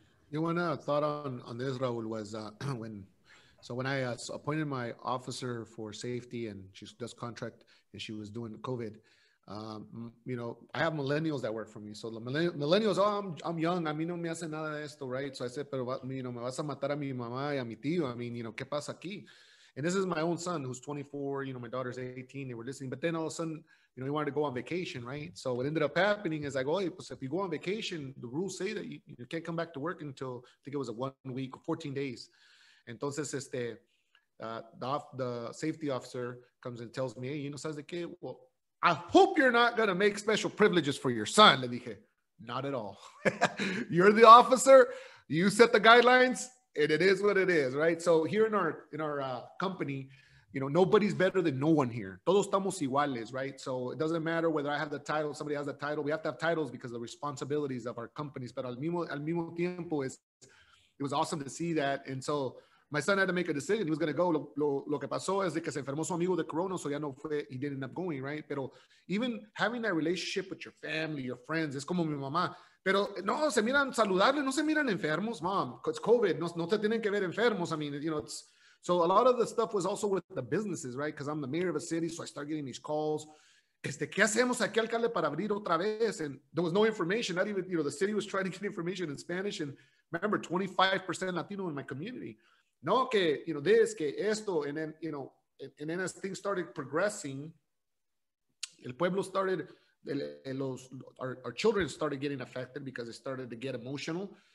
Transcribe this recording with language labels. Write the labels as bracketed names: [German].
[English] You want a thought on this, Raul, was when I appointed my officer for safety and she does contract and she was doing COVID, I have millennials that work for me. So the millennials, I'm young. [Spanish] A mí no me hace nada de esto, [English] right? So I said, [Spanish] pero, me vas a matar a mi mamá y a mi tío. [English] I mean, [Spanish] ¿qué pasa aquí? [English] And this is my own son who's 24. My daughter's 18. They were listening. But then all of a sudden, he wanted to go on vacation, right? So what ended up happening is I go, hey, pues if you go on vacation, the rules say that you can't come back to work until, I think it was a 1 week or 14 days. Entonces, the safety officer comes and tells me, hey, [Spanish] ¿sabes de qué? [English] Well, I hope you're not going to make special privileges for your son. [Spanish] Le dije, [English] not at all. You're the officer. You set the guidelines. And it is what it is, right? So here in our company, nobody's better than no one here. [Spanish] Todos estamos iguales, [English] right? So it doesn't matter whether I have the title, somebody has the title. We have to have titles because of the responsibilities of our companies. But [Spanish] al mismo tiempo, [English] it was awesome to see that. And so my son had to make a decision. He was going to go. [Spanish] Lo que pasó es de que se enfermó su amigo de Corona, so ya no fue, [English] he didn't end up going, right? Pero even having that relationship with your family, your friends, [Spanish] es como mi mamá. Pero no, se miran saludables, no se miran enfermos, mom. [English] It's COVID, [Spanish] no te tienen que ver enfermos. [English] I mean, it's, so a lot of the stuff was also with the businesses, right? Because I'm the mayor of a city, so I start getting these calls. [Spanish] ¿Qué hacemos aquí, alcalde, para abrir otra vez? [English] And there was no information, not even, the city was trying to get information in Spanish. And remember, 25% Latino in my community. No, que, this, que esto, and then, and then as things started progressing, [Spanish] el pueblo [English] started, our children started getting affected because it started to get emotional.